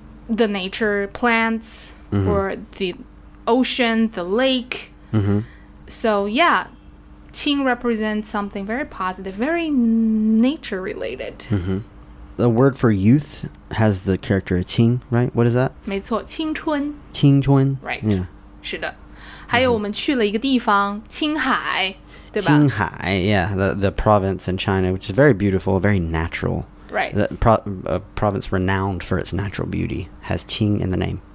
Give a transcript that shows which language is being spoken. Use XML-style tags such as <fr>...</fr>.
<en>The nature, plants,、or the ocean, the lake.、So, yeah, 青 represents something very positive, very nature related.、 The word for youth has the character 青, right? What is that?</en> <zh>没错青春。青春。</zh> <en>Right.、</en> <zh>是的。还有我们去了一个地方青海对吧</zh> <en>青海 yeah, the province in China, which is very beautiful, very natural. Right. The province renowned for its natural beauty has Qing in the name.</en>